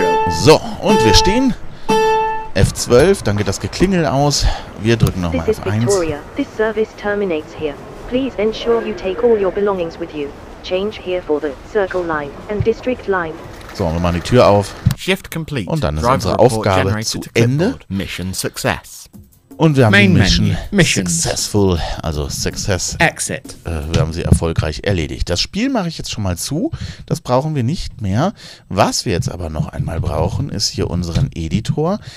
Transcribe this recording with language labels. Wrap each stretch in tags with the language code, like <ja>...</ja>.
<de>So, und wir stehen. F12, dann geht das Geklingel aus. Wir drücken nochmal F1.</de> <en>This service terminates here. Please ensure you take all your belongings with you. Change here for the Circle Line and District Line.</en> <de>So, wir machen die Tür auf.</de> <en>Shift complete.</en> <de>Und dann ist unsere Aufgabe zu Ende.</de> <en>Mission success.</en> <de>Und wir haben die Mission successful, also success.</de> <en>Exit.</en> <de>Wir haben sie erfolgreich erledigt. Das Spiel mache ich jetzt schon mal zu. Das brauchen wir nicht mehr. Was wir jetzt aber noch einmal brauchen, ist hier unseren Editor.</de>